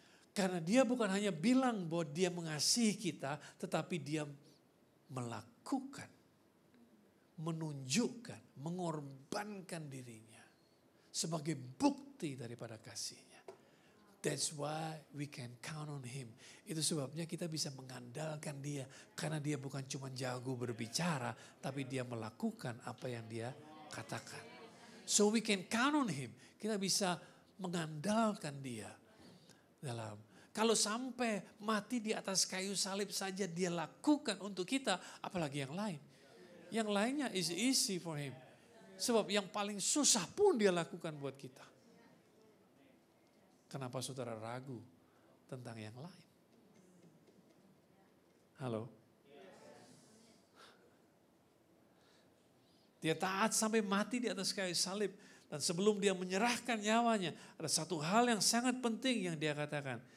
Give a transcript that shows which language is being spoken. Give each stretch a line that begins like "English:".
Indonesian: Karena dia bukan hanya bilang bahwa dia mengasihi kita, tetapi dia melakukan, menunjukkan, mengorbankan dirinya sebagai bukti daripada kasihnya.
English: That's why we can count on him.
Indonesian: Itu sebabnya kita bisa mengandalkan dia, karena dia bukan cuma jago berbicara, tapi dia melakukan apa yang dia katakan.
English: So we can count on him.
Indonesian: Kita bisa mengandalkan dia. Dalam kalau sampai mati di atas kayu salib saja dia lakukan untuk kita, apalagi yang lain. Yang lainnya
English: is easy for him.
Indonesian: Sebab yang paling susah pun dia lakukan buat kita. Kenapa saudara ragu tentang yang lain? Halo? Dia taat sampai mati di atas kayu salib. Dan sebelum dia menyerahkan nyawanya, ada satu hal yang sangat penting yang dia katakan.